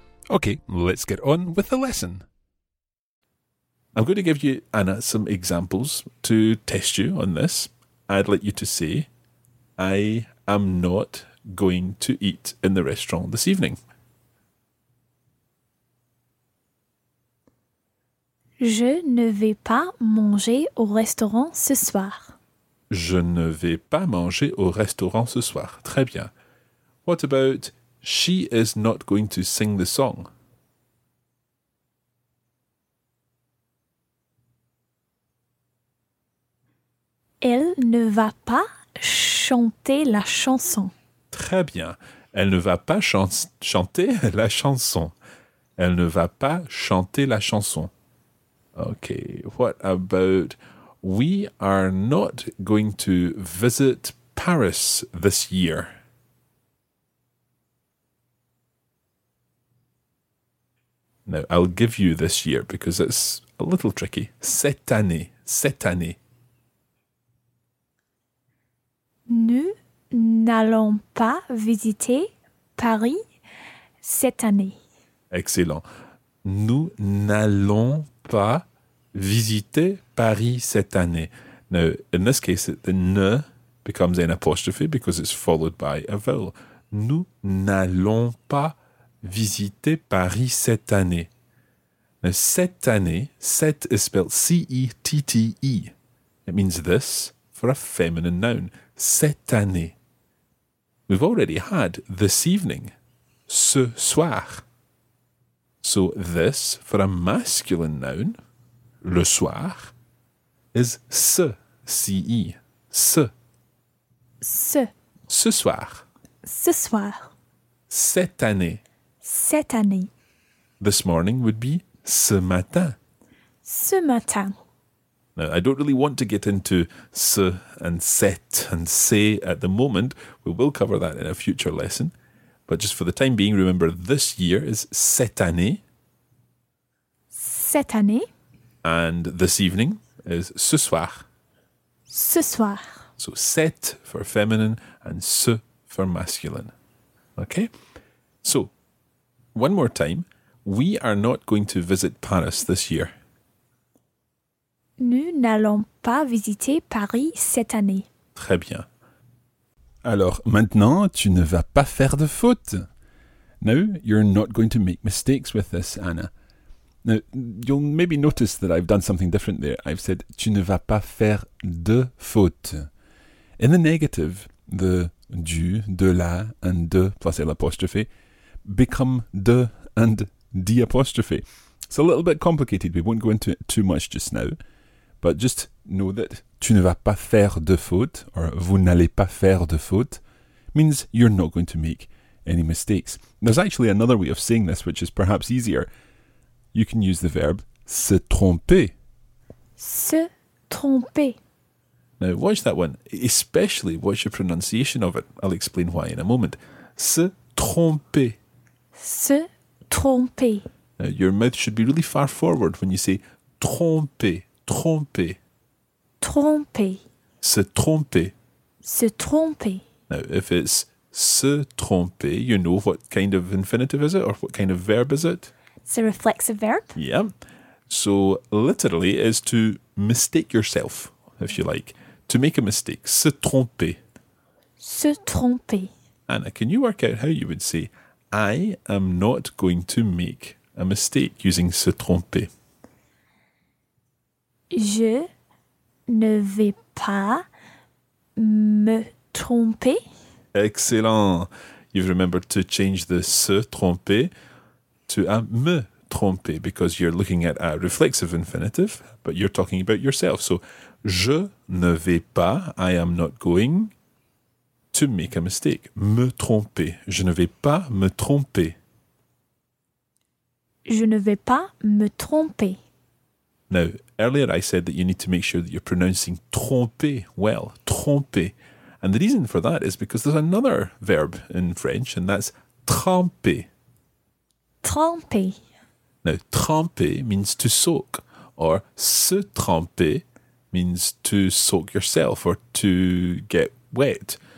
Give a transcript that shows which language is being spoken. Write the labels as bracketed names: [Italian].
[English] Okay, let's get on with the lesson. I'm going to give you, Anna, some examples to test you on this. I'd like you to say, I am not going to eat in the restaurant this evening. [French] Je ne vais pas manger au restaurant ce soir. Je ne vais pas manger au restaurant ce soir. Très bien. [English] What about she is not going to sing the song? [French] Elle ne va pas chanter la chanson. Très bien. Elle ne va pas chanter la chanson. Elle ne va pas chanter la chanson. OK. [English] What about we are not going to visit Paris this year? Now, I'll give you this year because it's a little tricky. [French] Cette année. Cette année. Nous n'allons pas visiter Paris cette année. [English] Excellent. [French] Nous n'allons pas visiter Paris cette année. [English] Now, in this case, the ne becomes an apostrophe because it's followed by a vowel. [French] Nous n'allons pas visiter Paris cette année. [English] Now, cette année, cette is spelled C-E-T-T-E. It means this for a feminine noun. [French] Cette année. [English] We've already had this evening, [French] ce soir. [English] So this, for a masculine noun, le soir, is ce, C-E, ce. [French] Ce. Ce soir. Ce soir. Cette année. Cette année. [English] This morning would be [French] ce matin. Ce matin. [English] Now, I don't really want to get into ce and cet and say at the moment. We will cover that in a future lesson. But just for the time being, remember this year is [French] cette année. Cette année. [English] And this evening is [French] ce soir. Ce soir. [English] So cette for feminine and ce for masculine. Okay? So, one more time. We are not going to visit Paris this year. [French] Nous n'allons pas visiter Paris cette année. Très bien. Alors, maintenant, tu ne vas pas faire de faute. [English] Now, you're not going to make mistakes with this, Anna. Now, you'll maybe notice that I've done something different there. I've said, [French] tu ne vas pas faire de faute. [English] In the negative, the du, de la, and de plus l'apostrophe become de and the apostrophe. It's a little bit complicated. We won't go into it too much just now. But just know that [French] tu ne vas pas faire de faute, [English] or [French] vous n'allez pas faire de faute, [English] means you're not going to make any mistakes. There's actually another way of saying this, which is perhaps easier. You can use the verb se tromper. [French] Se tromper. [English] Now, watch that one. Especially watch your pronunciation of it. I'll explain why in a moment. [French] Se tromper. Se tromper. [English] Now, your mouth should be really far forward when you say tromper. [French] Tromper. Tromper. Se tromper. Se tromper. [English] Now, if it's se tromper, you know what kind of infinitive is it or what kind of verb is it? It's a reflexive verb. Yeah. So, literally, is to mistake yourself, if you like. To make a mistake. Se tromper. [French] Se tromper. [English] Anna, can you work out how you would say, I am not going to make a mistake using se tromper? [French] Je ne vais pas me tromper. [English] Excellent. You've remembered to change the se tromper to a me tromper because you're looking at a reflexive infinitive, but you're talking about yourself. So, [French] je ne vais pas, [English] I am not going to make a mistake. [French] Me tromper. Je ne vais pas me tromper. Je ne vais pas me tromper. [English] Now, earlier I said that you need to make sure that you're pronouncing tromper well. Tromper. And the reason for that is because there's another verb in French, and that's tremper. [French] Tremper. [English] Now, tremper means to soak, or se tremper means to soak yourself or to get wet.